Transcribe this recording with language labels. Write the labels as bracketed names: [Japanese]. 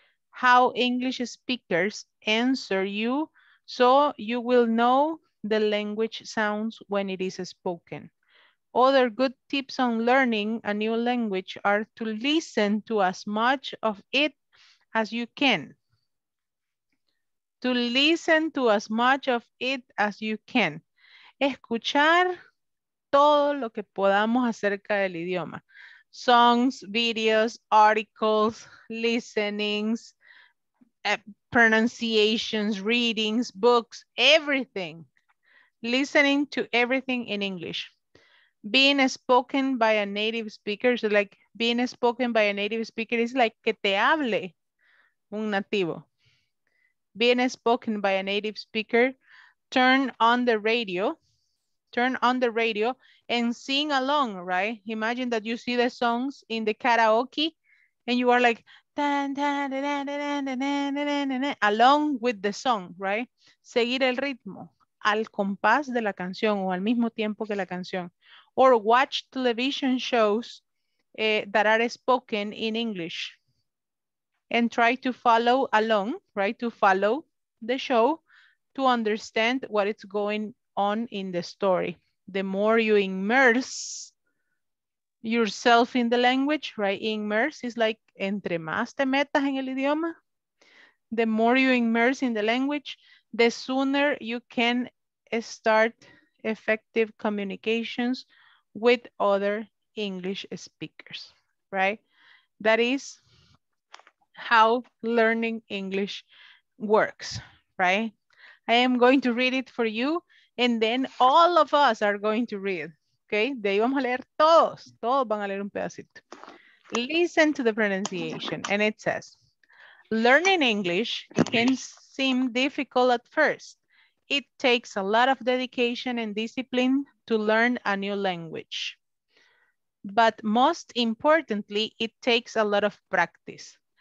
[English] How English speakers answer you so you will know the language sounds when it is spoken. Other good tips on learning a new language are to listen to as much of it as you can. To listen to as much of it as you can. [Spanish] Escuchar todo lo que podamos acerca del idioma. [English] Songs, videos, articles, listenings, pronunciations, readings, books, everything. Listening to everything in English. Being spoken by a native speaker, so like being spoken by a native speaker is like [Spanish] que te hable un nativo. [English] Being spoken by a native speaker, turn on the radio and sing along, right? Imagine that you see the songs in the karaoke and you are like along with the song, right? [Spanish] Seguir el ritmo al compás de la canción o al mismo tiempo que la canción. [English] Or watch television shows that are spoken in English and try to follow along, right? To follow the show to understand what is going on in the story. The more you immerse yourself in the language, right? Immerse is like [Spanish] entre más te metas en el idioma. [English] The more you immerse in the language, the sooner you can start effective communications with other English speakers, right? That is how learning English works, right? I am going to read it for you and then all of us are going to read, okay? [Spanish] De ahí vamos a leer todos, todos van a leer un pedacito. [English] Listen to the pronunciation and it says, learning English can seem difficult at first. It takes a lot of dedication and discipline to learn a new language. But most importantly, it takes a lot of practice.